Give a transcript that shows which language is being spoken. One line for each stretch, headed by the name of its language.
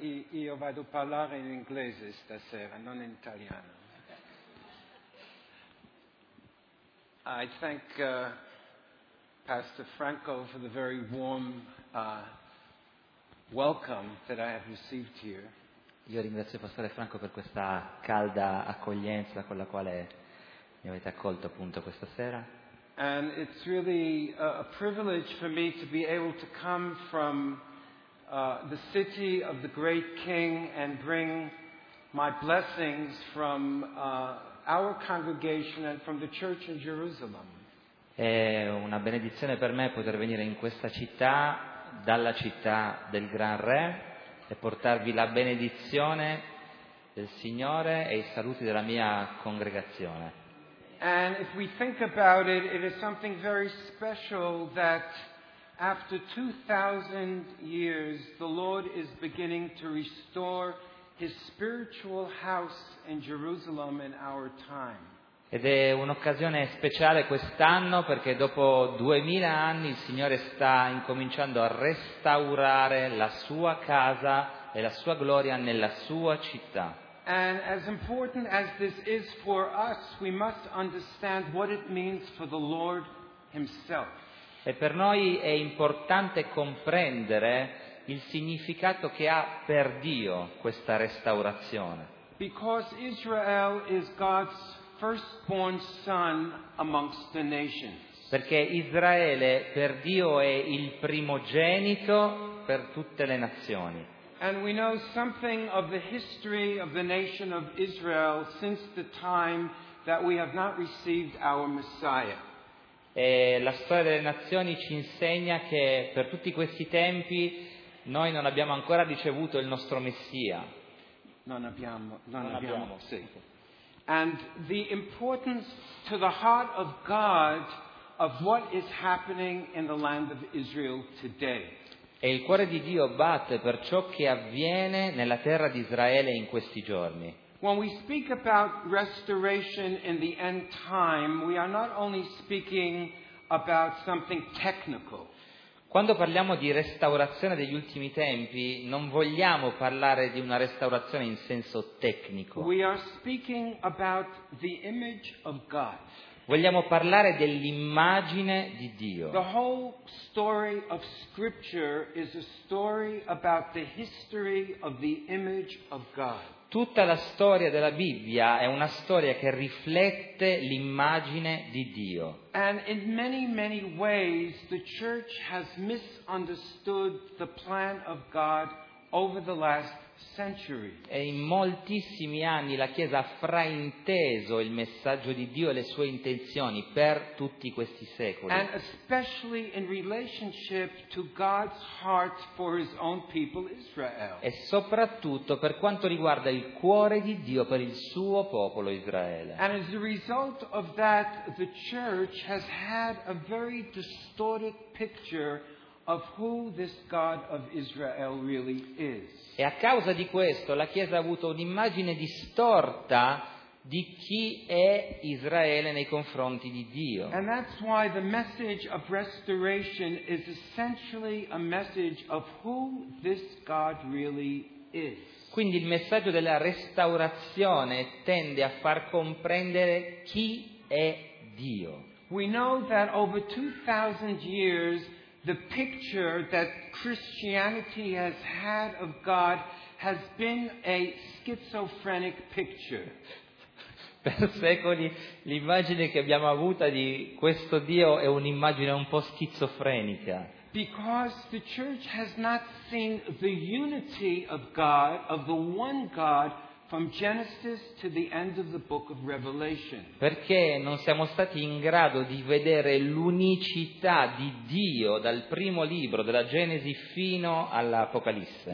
Italian: Io vado a parlare in inglese stasera, non in italiano.
English: I thank Pastor Franco for the very warm welcome that I have received here.
Italian: Io ringrazio Pastore Franco per questa calda accoglienza con la quale mi avete accolto appunto questa sera.
English: And it's really a privilege for me to be able to come from the city of the great king and bring my blessings from our congregation and from the church in Jerusalem.
Italian: È una benedizione per me poter venire in questa città, dalla città del Gran Re, e portarvi la benedizione del Signore e i saluti della mia congregazione.
English: And if we think about it, it is something very special that after 2,000 years, the Lord is beginning to restore His spiritual house in Jerusalem in our time.
Italian: Ed è un'occasione speciale quest'anno perché dopo 2,000 anni il Signore sta incominciando a restaurare la sua casa e la sua gloria nella sua città.
English: And as important as this is for us, we must understand what it means for the Lord Himself.
Italian: E per noi è importante comprendere il significato che ha per Dio questa restaurazione.
English: Because Israel is God's firstborn son amongst the nations.
Italian: Perché Israele per Dio è il primogenito per tutte le nazioni.
English: And we know something of the history of the nation of Israel since the time that we have not received our Messiah.
Italian: E la storia delle nazioni ci insegna che per tutti questi tempi noi non abbiamo ancora ricevuto il nostro Messia. Non abbiamo.
English: And the importance to the heart of God of what is happening in the land of Israel today.
Italian: E il cuore di Dio batte per ciò che avviene nella terra di Israele in questi giorni.
English: When we speak about restoration in the end time, we are not only speaking about something technical.
Italian: Quando parliamo di restaurazione degli ultimi tempi, non vogliamo parlare di una restaurazione in senso tecnico.
English: We are speaking about the image of God.
Italian: Vogliamo parlare dell'immagine di Dio.
English: The whole story of Scripture is a story about the history of the image of God.
Italian: Tutta la storia della Bibbia è una storia che riflette l'immagine di Dio.
English: And in many, many ways the church has misunderstood the plan of God over the last century.
Italian: E in moltissimi anni la Chiesa ha frainteso il messaggio di Dio e le sue intenzioni per tutti questi secoli.
English: And especially in relationship to God's heart for His own people Israel.
Italian: E soprattutto per quanto riguarda il cuore di Dio per il suo popolo Israele.
English: And as a result of that, the church has had a very distorted picture of who this God of Israel really is.
Italian: E a causa di questo la Chiesa ha avuto un'immagine distorta di chi è Israele nei confronti di Dio.
English: And that's why the message of restoration is essentially a message of who this God really is.
Italian: Quindi il messaggio della restaurazione tende a far comprendere chi è Dio.
English: We know that over 2,000 years the picture that Christianity has had of God has been a schizophrenic picture.
Italian: Per secoli l'immagine che abbiamo avuta di questo Dio è un'immagine un po' schizofrenica.
English: Because the church has not seen the unity of God, of the one God, from Genesis to the end of the book of Revelation.
Italian: Perché non siamo stati in grado di vedere l'unicità di Dio dal primo libro della Genesi fino all'Apocalisse.